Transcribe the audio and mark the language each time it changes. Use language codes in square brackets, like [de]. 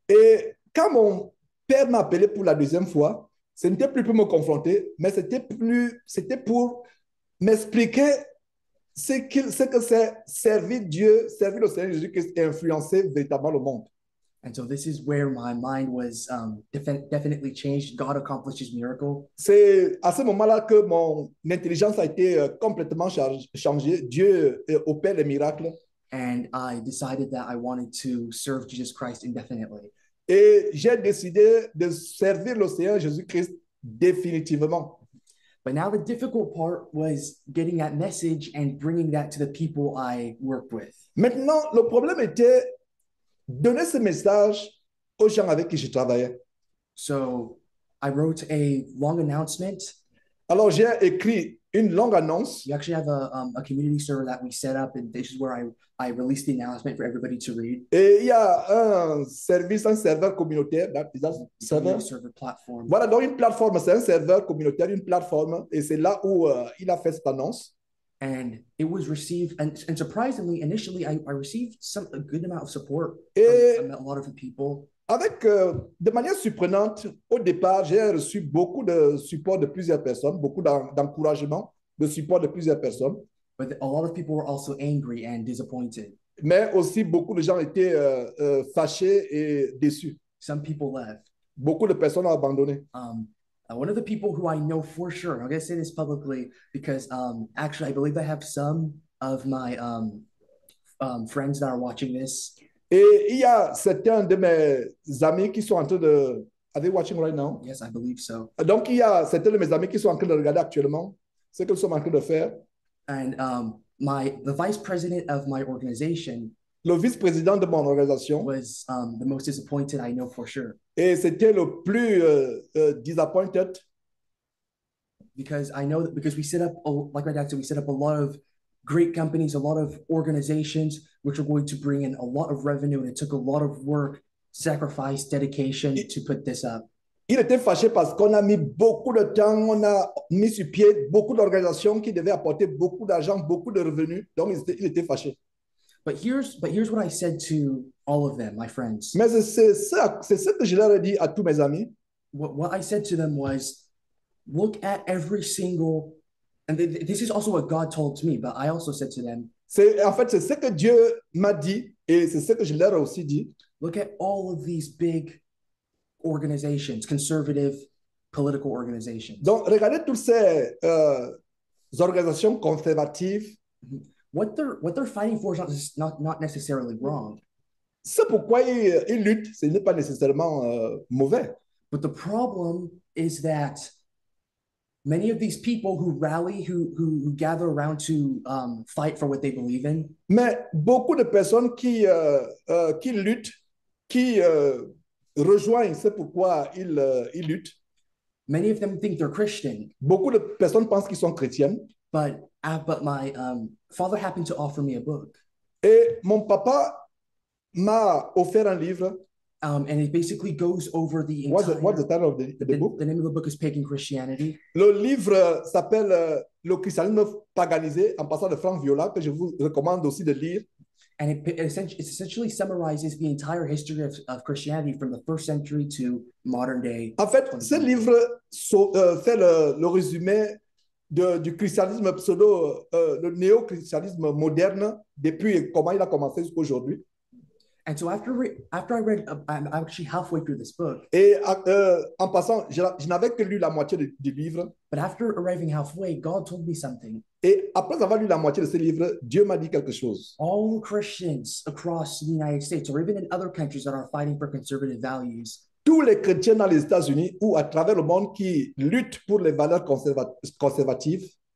[fr] Et quand mon père m'a appelé pour la deuxième fois, ce n'était plus pour me confronter, mais c'était pour m'expliquer ce que c'est servir Dieu, servir le Seigneur Jésus-Christ et influencer véritablement le monde. [en] And so this is where my mind was definitely changed. God accomplishes miracle. [fr] C'est à ce moment-là que mon intelligence a été complètement changée. Dieu opère les miracles. [en] And I decided that I wanted to serve Jesus Christ indefinitely. [fr] Et j'ai décidé de servir le Seigneur Jésus-Christ définitivement. [en] But now the difficult part was getting that message and bringing that to the people I worked with. [fr] Maintenant, le problème était donner ce message aux gens avec qui je travaillais. [en] So, I wrote a long announcement. [fr] Alors, j'ai écrit une longue annonce. [en] We actually have a community server that we set up, and this is where I released the announcement for everybody to read. [fr] Et il y a un serveur communautaire, [en] that is a server. Server platform. [fr] Voilà, donc une plateforme, c'est un serveur communautaire, une plateforme, et c'est là où il a fait cette annonce. [en] And it was received, and surprisingly, initially, I received some a good amount of support. [fr] Et [en] I met a lot of people. [fr] Avec, de manière surprenante, au départ, j'ai reçu beaucoup de support de plusieurs personnes, beaucoup d'encouragement, de support de plusieurs personnes. [en] But a lot of people were also angry and disappointed. [fr] Mais aussi, beaucoup de gens étaient fâchés et déçus. [en] Some people left. [fr] Beaucoup de personnes ont abandonné. [en] One of the people who I know for sure, I'm going to say this publicly, because actually, I believe I have some of my friends that are watching this. [fr] Et il y a certains de mes amis qui sont en train de... [en] Are they watching right now? Yes, I believe so. [fr] Donc, il y a certains de mes amis qui sont en train de regarder actuellement ce qu'ils sont en train de faire. [en] And the vice president of my organization... [fr] Le vice-président de mon organisation [en] was the most disappointed I know for sure. [fr] Et c'était le plus disappointed. [en] Because I know that because we set up, like my dad said, we set up a lot of great companies, a lot of organizations, which are going to bring in a lot of revenue. And it took a lot of work, sacrifice, dedication to put this up. [fr] Il était fâché parce qu'on a mis beaucoup de temps, on a mis sur pied beaucoup d'organisations qui devaient apporter beaucoup d'argent, beaucoup de revenus. Donc il était fâché. [en] But here's what I said to all of them, my friends. [fr] Mais c'est ça que je leur ai dit à tous mes amis. [en] What I said to them was, look at every single, and this is also what God told me, but I also said to them, [fr] c'est ce que Dieu m'a dit, et c'est ce que je leur ai aussi dit. [en] Look at all of these big organizations, conservative political organizations. [fr] Donc, regardez toutes ces organisations conservatives. [en] What they're fighting for is not necessarily wrong. [fr] C'est pourquoi ils luttent, ce n'est pas nécessairement mauvais. [en] But the problem is that many of these people who rally, who gather around to fight for what they believe in. [fr] Mais beaucoup de personnes qui luttent, qui rejoignent, c'est pourquoi ils luttent. [en] Many of them think they're Christian. [fr] Beaucoup de personnes pensent qu'ils sont chrétiens. [en] But my father happened to offer me a book. [fr] Et mon papa m'a offert un livre. [en] And it basically goes over the entire... What's the title of the book? The name of the book is Pagan Christianity. [fr] Le livre s'appelle Le christianisme paganisé, en passant de Frank Viola, que je vous recommande aussi de lire. [en] And it essentially summarizes the entire history of Christianity from the first century to modern day. [fr] En fait, ce livre fait le résumé du christianisme pseudo, le néo-christianisme moderne, depuis comment il a commencé jusqu'à aujourd'hui. [en] And so after I read, I'm actually halfway through this book. [fr] Et en passant, je n'avais que lu la moitié du livre. [en] But after arriving halfway, God told me something. [fr] Et après avoir lu la moitié de ce livre, Dieu m'a dit quelque chose. [en] All Christians across the United States, or even in other countries that are fighting for conservative values, [fr] tous les chrétiens dans les États-Unis ou à travers le monde qui luttent pour les valeurs conservatives